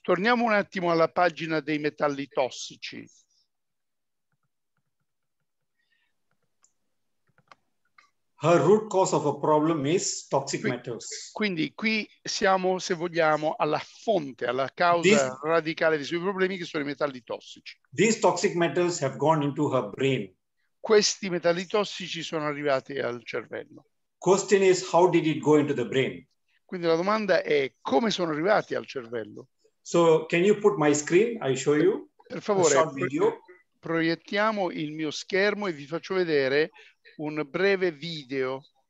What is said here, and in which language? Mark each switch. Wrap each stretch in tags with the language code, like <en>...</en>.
<it>Torniamo un attimo alla pagina dei metalli tossici.</it> <en>Her root cause of a problem is toxic metals.</en> <it>Quindi qui siamo, se vogliamo, alla fonte, alla causa radicale dei suoi problemi, che sono i metalli tossici.</it> <en>These toxic metals have gone into her brain.</en> <it>Questi metalli tossici sono arrivati al cervello.</it> <en>Question is, how did it go into the brain?</en> <it>Quindi la domanda è, come sono arrivati al cervello?</it> <en>So, can you put my screen? I show you.</en> <it>Per favore, proiettiamo il mio schermo e vi faccio vedere un breve video.</it>